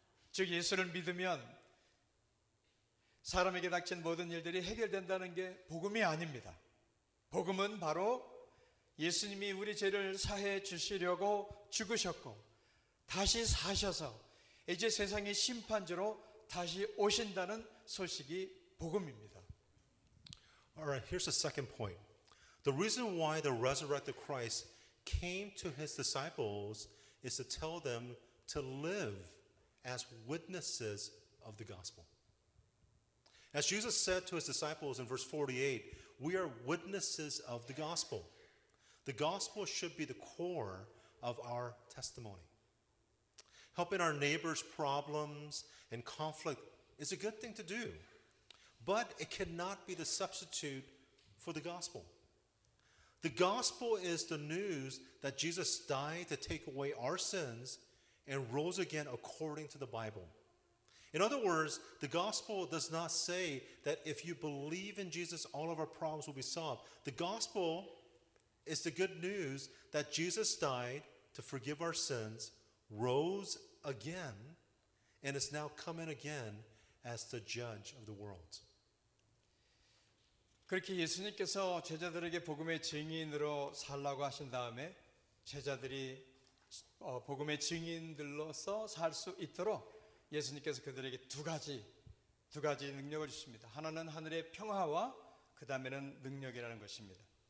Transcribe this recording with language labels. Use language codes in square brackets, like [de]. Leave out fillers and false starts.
[ko] 즉 예수를 믿으면 사람에게 닥친 모든 일들이 해결된다는 게 복음이 아닙니다. 복음은 바로 예수님이 우리 죄를 사해 주시려고 죽으셨고 다시 사셔서 이제 세상의 심판주로 다시 오신다는 소식이 복음입니다. [en] All right, here's the second point. The reason why the resurrected Christ came to his disciples is to tell them to live as witnesses of the gospel. As Jesus said to his disciples in verse 48, we are witnesses of the gospel. The gospel should be the core of our testimony. Helping our neighbors' problems and conflict is a good thing to do, but it cannot be the substitute for the gospel. The gospel is the news that Jesus died to take away our sins and rose again according to the Bible. In other words, the gospel does not say that if you believe in Jesus, all of our problems will be solved. The gospel is the good news that Jesus died to forgive our sins, rose again, and is now coming again as the judge of the world. [ko] 그렇게 예수님께서 제자들에게 복음의 증인으로 살라고 하신 다음에 제자들이 복음의 증인들로서 살 수 있도록 예수님께서 그들에게 두 가지 능력을 주십니다. 하나는 하늘의 평화와 그 다음에는 능력이라는 것입니다.